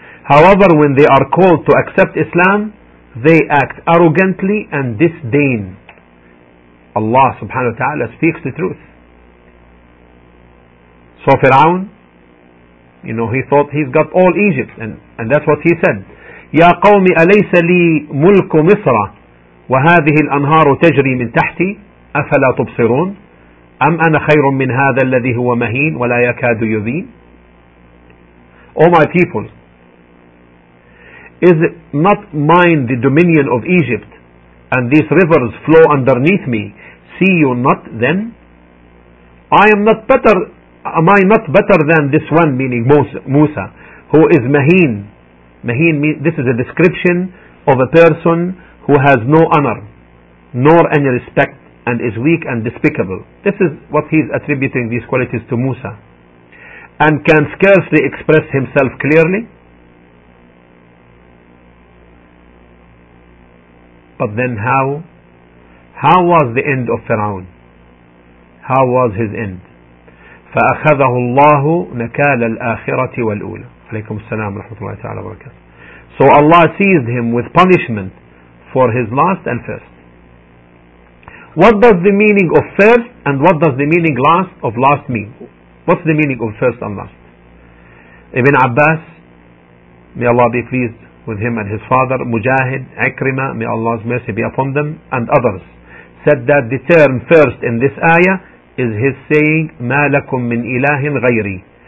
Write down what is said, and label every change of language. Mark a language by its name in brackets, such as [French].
[English] However, when they are called to accept Islam, they act arrogantly and disdain. Allah subhanahu wa ta'ala speaks the truth. So Fir'aun, you know, he thought he's got all Egypt, and that's what he said. [Arabic] يَا قَوْمِ أَلَيْسَ لِي مُلْكُ مِصْرَ وَهَذِهِ الْأَنْهَارُ تَجْرِي مِنْ تَحْتِي أَفَلَا تُبْصِرُونَ أَمْ أَنَ خَيْرٌ مِّنْ هَذَا الَّذِي هُوَ مَهِينٌ وَلَا يَكَادُ يُبِينَ. [English] O my people, is it not mine the dominion of Egypt, and these rivers flow underneath me? See you not them? Am I not better than this one, meaning Musa, who is Mahin? Mahin means, this is a description of a person who has no honor, nor any respect, and is weak and despicable. This is what he is attributing these qualities to Musa, and can scarcely express himself clearly. But then how was the end of Fir'aun? How was his end? [Arabic] فأخذه الله نكال الآخرة والأولى. عليكم السلام ورحمة الله تعالى وبركاته. [English] So Allah seized him with punishment for his last and first. What does the meaning of first and what does the meaning last of last mean? What's the meaning of first and last? Ibn Abbas, may Allah be pleased with him and his father, Mujahid, Ikrimah, may Allah's mercy be upon them, and others, said that the term first in this ayah is his saying, [Arabic] مَا لَكُم مِّنْ إِلَهٍ غَيْرِي.